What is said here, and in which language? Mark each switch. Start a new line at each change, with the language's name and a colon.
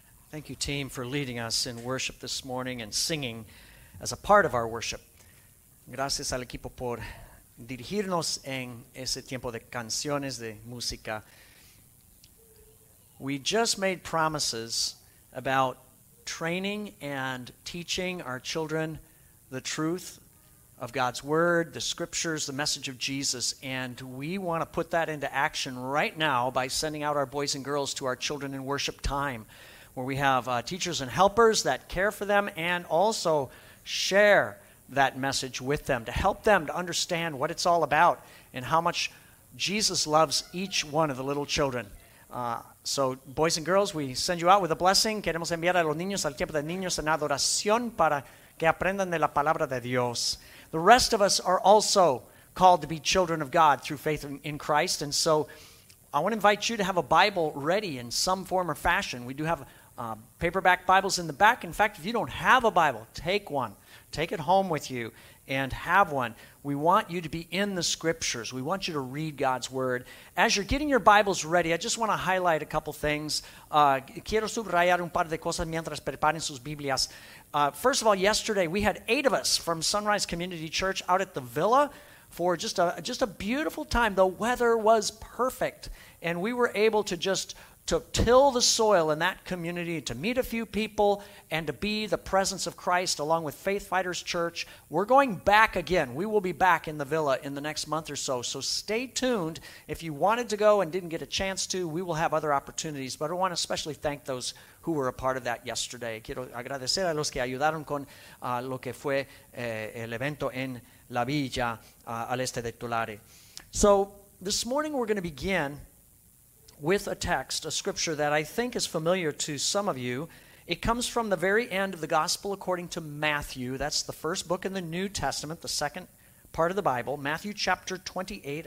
English: Thank you, team, for leading us in worship this morning and singing as a part of our worship.
Spanish: Gracias al equipo por dirigirnos en ese tiempo de canciones, de música.
English: We just made promises about training and teaching our children the truth of God's word, the scriptures, the message of Jesus, and we want to put that into action right now by sending out our boys and girls to our children in worship time, where we have teachers and helpers that care for them and also share that message with them to help them to understand what it's all about and how much Jesus loves each one of the little children. So, boys and girls, we send you out with a blessing.
Spanish: Queremos enviar a los niños al tiempo de niños en adoración para que aprendan de la palabra de Dios.
English: The rest of us are also called to be children of God through faith in Christ. And so I want to invite you to have a Bible ready in some form or fashion. We do have paperback Bibles in the back. In fact, if you don't have a Bible, take one. Take it home with you and have one. We want you to be in the scriptures. We want you to read God's word. As you're getting your Bibles ready, I just want to highlight a couple things.
Spanish: Quiero subrayar un par de cosas mientras preparen sus Biblias.
English: First of all, yesterday we had 8 of us from Sunrise Community Church out at the villa for just a beautiful time. The weather was perfect, and we were able to to till the soil in that community, to meet a few people, and to be the presence of Christ along with Faith Fighters Church. We're going back again. We will be back in the villa in the next month or so. So stay tuned. If you wanted to go and didn't get a chance to, we will have other opportunities. But I want to especially thank those who were a part of that yesterday.
Spanish: Quiero agradecer a los que ayudaron con lo que fue el evento en la villa al este de Tulare.
English: So this morning we're going to begin with a text, a scripture that I think is familiar to some of you. It comes from the very end of the Gospel according to Matthew. That's the first book in the New Testament, the second part of the Bible, Matthew chapter 28.